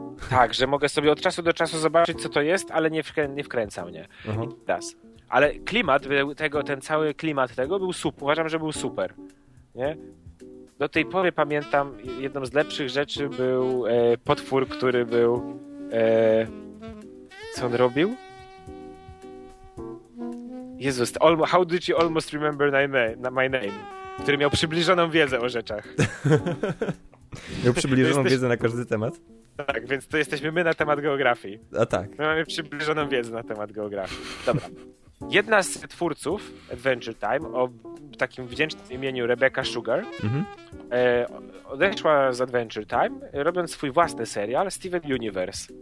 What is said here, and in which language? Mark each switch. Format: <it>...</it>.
<pl>Tak, że mogę sobie od czasu do czasu zobaczyć, co to jest, ale nie wkręca mnie. Uh-huh. Ale klimat, ten cały klimat tego był super. Uważam, że był super. Nie? Do tej pory pamiętam, jedną z lepszych rzeczy był potwór, który był... co on robił?</pl> <en>Jezus, how did you almost remember my name?</en> <pl>Który miał przybliżoną wiedzę o rzeczach. Miał przybliżoną wiedzę na każdy temat? Tak, więc to jesteśmy my na temat geografii. A tak. My mamy przybliżoną wiedzę na temat geografii. Dobra. Jedna z twórców Adventure Time o takim wdzięcznym imieniu Rebecca Sugar odeszła z Adventure Time, robiąc swój własny serial Steven Universe.</pl>